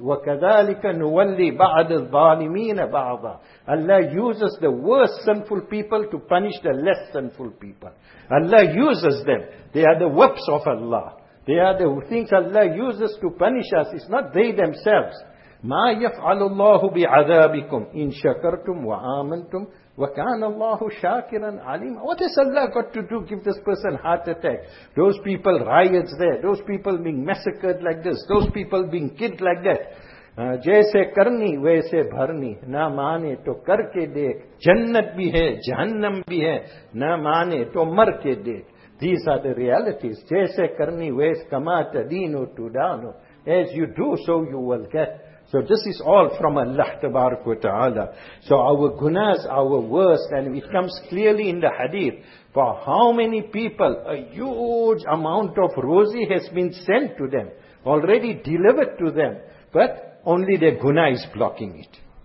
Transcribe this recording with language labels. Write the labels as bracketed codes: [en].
[ar] وَكَذَلِكَ نُوَلِّي بَعْدِ الظَّالِمِينَ بَعْضًا [en] Allah uses the worst sinful people to punish the less sinful people. Allah uses them. They are the whips of Allah. They are the things Allah uses to punish us. It's not they themselves. [ar] مَا يَفْعَلُ اللَّهُ بِعَذَابِكُمْ إِن شَكَرْتُمْ وَآمَنْتُمْ وَكَانَ اللَّهُ شَاكِرًا عَلِيمًا [en] What has Allah got to do? Give this person heart attack. Those people riots there. Those people being massacred like this. Those people being killed like that. [ur] جیسے کرنی ویسے بھرنی نہ مانے تو کر کے دیکھ جنت بھی ہے جہنم بھی ہے نہ مانے تو مر کے دیکھ [en] These are the realities. [ur] جیسے کرنی ویس کما تدینو تو دانو [en] As you do, so you will get. So this is all from Allah tabarak wa ta'ala. So our gunas, our worst, and it comes clearly in the hadith. For how many people a huge amount of rozi has been sent to them, already delivered to them, but only their guna is blocking it.